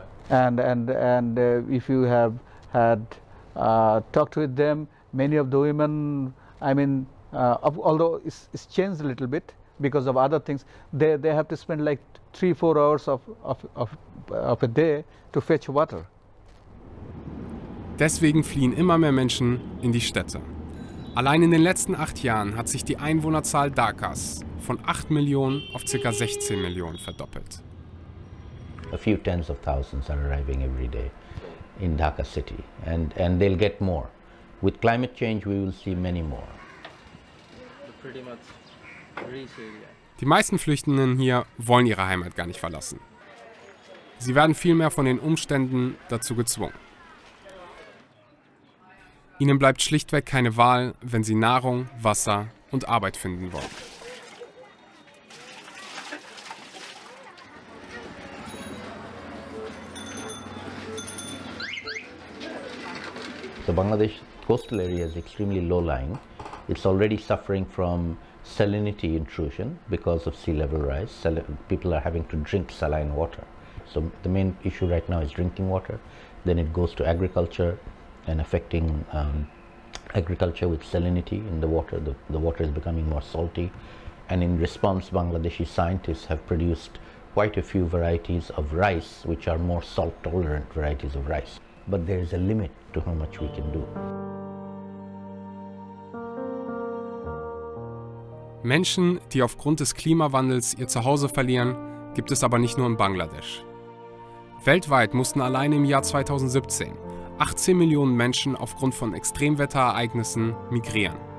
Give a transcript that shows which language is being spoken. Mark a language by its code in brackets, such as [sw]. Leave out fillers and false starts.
[en] And if you have had talked with them, many of the women, although it's changed a little bit because of other things, they have to spend like 3-4 hours of a day to fetch water. [de] Deswegen fliehen immer mehr Menschen in die Städte. Allein in den letzten 8 Jahren hat sich die Einwohnerzahl Dhakas von 8 Millionen auf ca. 16 Millionen verdoppelt. [en] A few tens of thousands are arriving every day in Dhaka city, and they'll get more. With climate change, we will see many more. [de] Die meisten Flüchtenden hier wollen ihre Heimat gar nicht verlassen. Sie werden vielmehr von den Umständen dazu gezwungen. Ihnen bleibt schlichtweg keine Wahl, wenn Sie Nahrung, Wasser und Arbeit finden wollen. [en] The Bangladesh coastal area is extremely low-lying. It's already suffering from salinity intrusion because of sea level rise. People are having to drink saline water. So the main issue right now is drinking water. Then it goes to agriculture and affecting agriculture with salinity in the water. The water is becoming more salty. And in response, Bangladeshi scientists have produced quite a few varieties of rice, which are more salt-tolerant varieties of rice. But there is a limit to how much we can do. [de] Menschen, die aufgrund des Klimawandels ihr Zuhause verlieren, gibt es aber nicht nur in Bangladesch. Weltweit mussten allein im Jahr 2017 18 Millionen Menschen aufgrund von Extremwetterereignissen migrieren.